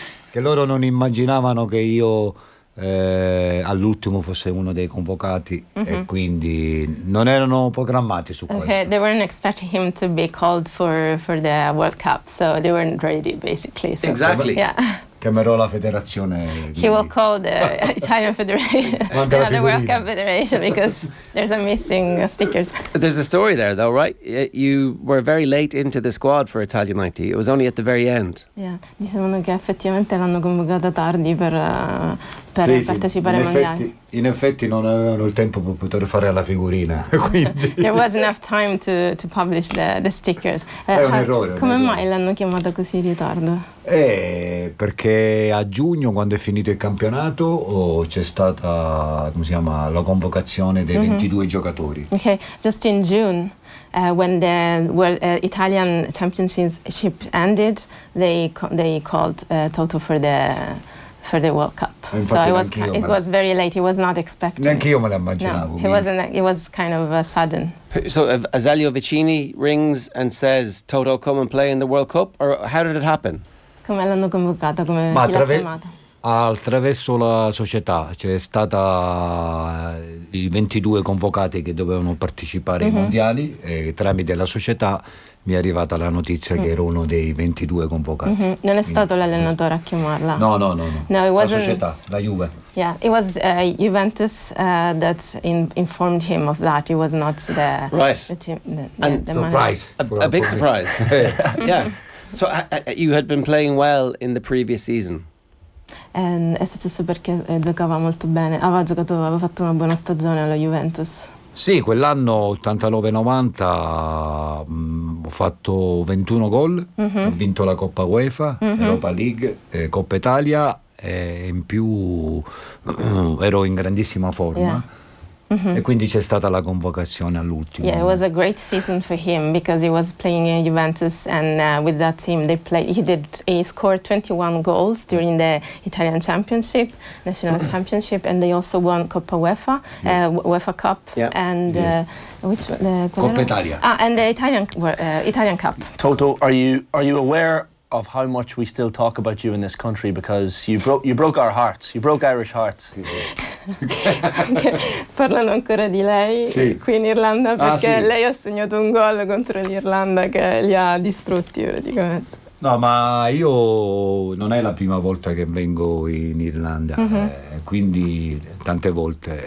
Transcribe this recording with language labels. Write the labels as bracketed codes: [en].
[it] Che loro non immaginavano che io all'ultimo fosse uno dei convocati e quindi non erano programmati su questo. [en] Okay, they weren't expecting him to be called for the World Cup, so they weren't ready basically. So. Exactly. Yeah. [it] Chiamerò la federazione. [en] He will call the Italian Federation, the other World Cup Federation, because there's a missing stickers. There's a story there though, right? You were very late into the squad for Italia 90. It was only at the very end. [it] Yeah, dicevano che effettivamente l'hanno convocata tardi per partecipare ai mondiali. In effetti non avevano il tempo per poter fare la figurina, quindi. [en] There was enough time to publish the stickers. [it] È un errore. Come mai l'hanno chiamata così in ritardo? Perché a giugno, quando è finito il campionato, c'è stata la convocazione dei 22 giocatori. [en] Okay, just in June, when the World Italian Championship ended, they called Toto for the World Cup. So it was very late. He was not expected. [it] Neanche io me lo immaginavo. [en] No, it was kind of a sudden. So Azzurri Vicini rings and says, "Toto, come and play in the World Cup," or how did it happen? [it] Come l'hanno convocata, come chi l'ha chiamata? Attraverso la società, c'è stata i 22 convocati che dovevano partecipare ai mondiali e tramite la società mi è arrivata la notizia che ero uno dei 22 convocati. Mm-hmm. Non è stato l'allenatore a chiamarla? [en] No, it wasn't. [it] La società, la Juve. [en] Yeah, it was Juventus that informed him of that. It was not the team. A big surprise. Yeah. So you had been playing well in the previous season. [it] È successo perché giocava molto bene. Aveva fatto una buona stagione alla Juventus. Sì, quell'anno 89-90 ho fatto 21 gol, ho vinto la Coppa UEFA, Europa League, Coppa Italia e in più ero in grandissima forma. [en] Yeah. [it] Mm-hmm. E quindi c'è stata la convocazione all'ultimo. [en] Yeah, it was a great season for him because he was playing in Juventus and with that team they played. He scored 21 goals during the Italian Championship, National Championship, and they also won Coppa UEFA, UEFA Cup, [it] Coppa Italia. [en] And the Italian Cup. Toto, are you aware of how much we still talk about you in this country because you broke our hearts, you broke Irish hearts. [it] Parlano ancora di lei qui in Irlanda perché lei ha segnato un gol contro l'Irlanda che li ha distrutti praticamente. No, ma io non è la prima volta che vengo in Irlanda, quindi tante volte.